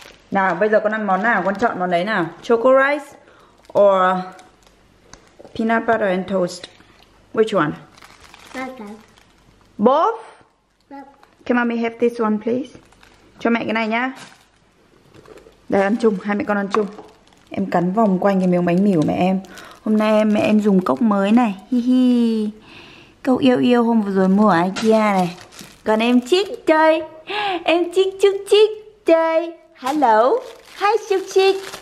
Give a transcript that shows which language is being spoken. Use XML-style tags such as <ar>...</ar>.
<vi>Nào bây giờ con ăn món nào, con chọn món đấy nào.</vi> <en>Choco rice or peanut butter and toast, which one? Both. Both? Can mommy have this one please?</en> <vi>Cho mẹ cái này nhá. Đây ăn chung, hai mẹ con ăn chung. Em cắn vòng quanh cái miếng bánh mì của mẹ em. Hôm nay mẹ em dùng cốc mới này. Hi hi. Cậu yêu yêu hôm vừa rồi mua ở IKEA này. Còn em Chích chơi. Em Chích chúc Chích chơi.</vi> <en>Hello. Hi</en> <vi>Chúc Chích.</vi>